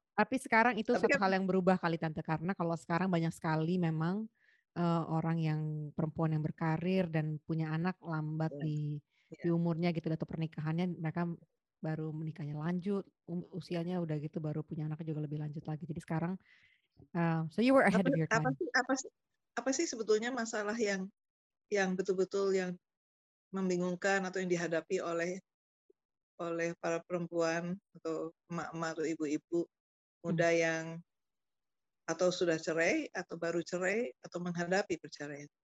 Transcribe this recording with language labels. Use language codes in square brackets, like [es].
[id] Tapi sekarang itu Tapi satu kan hal yang berubah kali Tante, karena kalau sekarang banyak sekali memang orang yang perempuan yang berkarir dan punya anak lambat di umurnya gitu, atau pernikahannya mereka baru menikahnya lanjut usianya udah gitu, baru punya anak juga lebih lanjut lagi. Jadi sekarang [en] so you were ahead of your time. [id] Apa sih sebetulnya masalah yang betul-betul yang membingungkan atau yang dihadapi oleh para perempuan atau emak-emak atau ibu-ibu muda yang atau sudah cerai atau baru cerai atau menghadapi perceraian?